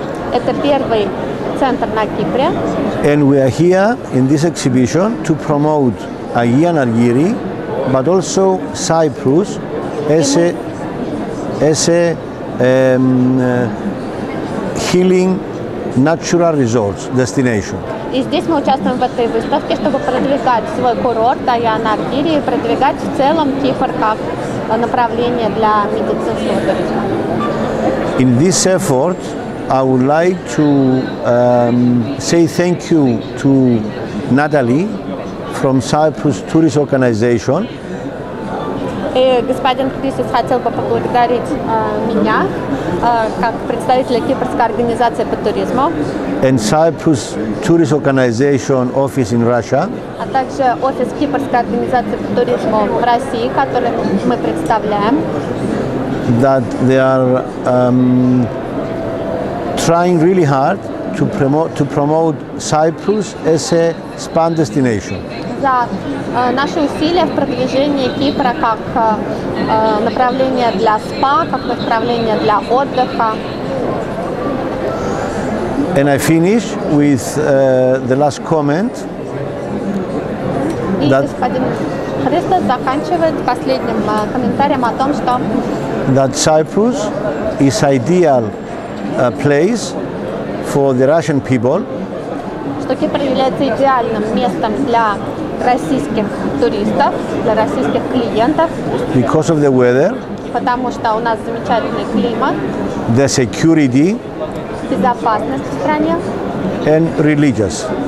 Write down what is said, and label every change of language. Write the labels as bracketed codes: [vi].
[ru] Это первый центр на Кипре. [en] And we are here in this exhibition to promote Ayan Argyri, but also Cyprus as a healing natural resort destination. [ru] И здесь мы участвуем в этой выставке, чтобы продвигать свой курорт Ayan Argyri и продвигать в целом Кипр как направление для медицинского туризма. [en] In this effort, I would like to say thank you to Natalie from Cyprus Tourist Organization. [ru] И господин Крисис хотел бы поблагодарить меня как представителя кипрской организации по туризму. [en] And Cyprus Tourist Organization office in Russia. [ru] А также офис кипрской организации по туризму в России, который мы представляем. [en] That they are trying really hard to promote Cyprus as a spa destination. [ru] За наши усилия в продвижении Кипра как направление для спа, как направление для отдыха. [en] And I finish with the last comment. [ru] И that господин Христос заканчивает последним комментарием о том, что [en] that Cyprus is ideal place for the Russian people. [ru] Что Кипр является идеальным местом для российских туристов, для российских клиентов. [en] Because of the weather. [ru] Потому что у нас замечательный климат. [en] The security. [ru] Безопасность в стране. [en] And religious.